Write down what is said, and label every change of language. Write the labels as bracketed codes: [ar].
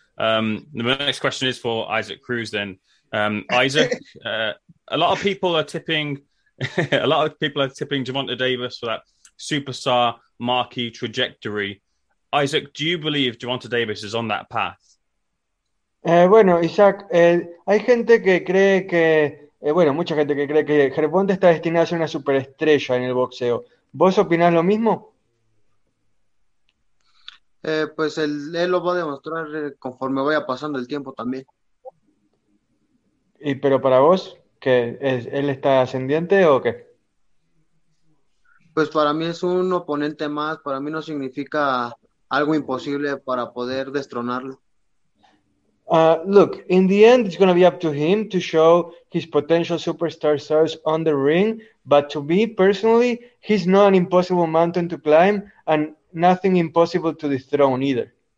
[en] The next question is for Issac Cruz then. Issac, a lot of people are tipping Gervonta Davis for that superstar marquee trajectory. Issac, do you believe Gervonta Davis is on that path? [es] Issac, hay gente que cree que mucha gente que cree que Gervonta está destinado a ser una superestrella en el boxeo. ¿Vos opinás lo mismo? Pues él lo va a demostrar conforme vaya pasando el tiempo también. ¿Y pero para vos, que él está ascendiente o qué? Pues para mí es un oponente más, para mí no significa algo imposible para poder destronarlo. [en] Look, in the end it's going to be up to him to show his potential superstar stars on the ring, but to me personally, he's not an impossible mountain to climb and nothing impossible to dethrone either.